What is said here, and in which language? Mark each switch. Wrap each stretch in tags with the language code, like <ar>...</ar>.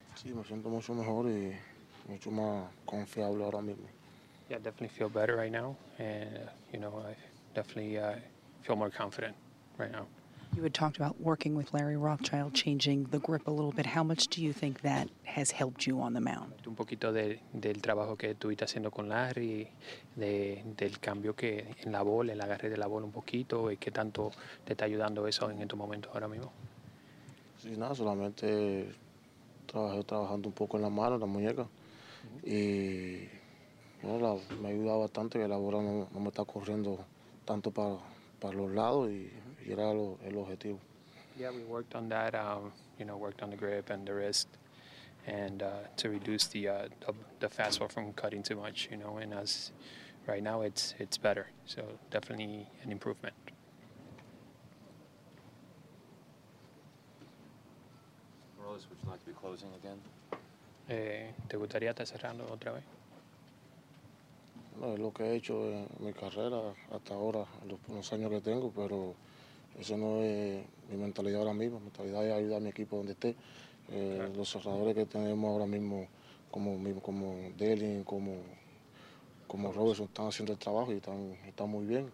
<en>Yeah, definitely feel better right now. And, I definitely feel more confident right now. You had talked about working with Larry Rothschild, changing the grip a little bit. How much do you think that has helped you on the mound?</en> <es>Un poquito del trabajo que estuviste haciendo con Larry, del cambio que en la bola, el agarre de la bola un poquito, y qué tanto te está ayudando eso en estos momentos ahora mismo. Sí, nada, solamente trabajando un poco en la mano, la muñeca, y me ayuda bastante que la bola no me está corriendo tanto para los lados y era el objetivo.</es> <en>Yeah, we worked on that, worked on the grip and the wrist and to reduce the fastball from cutting too much, and as right now it's better. So definitely an improvement. Morales, would you like to be closing again?</en> <es>¿Te gustaría estar cerrando otra vez? No, es lo que he hecho en mi carrera hasta ahora, los años que tengo, pero eso no es mi mentalidad ahora mismo. Mi mentalidad es ayudar a mi equipo donde esté. Okay. Los cerradores que tenemos ahora mismo, como Delin, como Robertson, están haciendo el trabajo y están muy bien.</es>